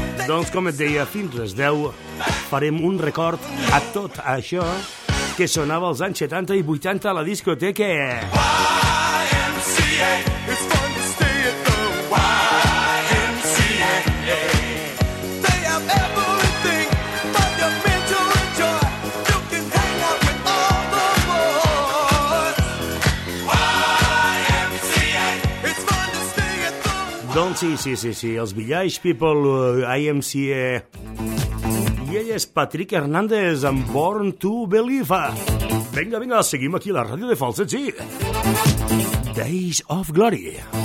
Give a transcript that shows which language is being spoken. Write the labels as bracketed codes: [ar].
[ca] Doncs, com et deia, fins les 10 farem un record a tot això que sonava als anys 70 i 80 a la discoteca. [en] YMCA, it's fun to stay at the YMCA. They have everything for your men to enjoy. You can hang out with all the boys. YMCA, it's fun to stay at the YMCA. [ca] Doncs sí, els Village People, IMCA. I ell és Patrick Hernández amb Born to Believe. Vinga, seguim aquí a la ràdio de Falset, sí. Days of Glory.